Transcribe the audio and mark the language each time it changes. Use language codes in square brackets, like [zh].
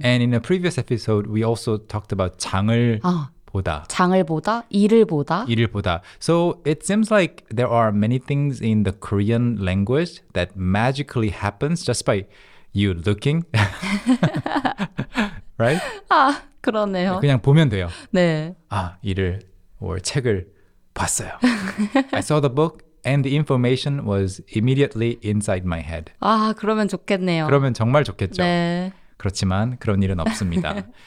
[en] And in a previous episode, we also talked about 장을 보다. [ko] 장을 보다, 일을 보다. 일을 보다. [en] So it seems like there are many things in the Korean language that magically happens just by you looking. Right? [ko] 아, 그러네요. 그냥 보면 돼요. 네. 아, 일을, or 책을 봤어요. [en] I saw the book and the information was immediately inside my head. [ko] 아, 그러면 좋겠네요. 그러면 정말 좋겠죠. 네. 그렇지만 그런 일은 없습니다.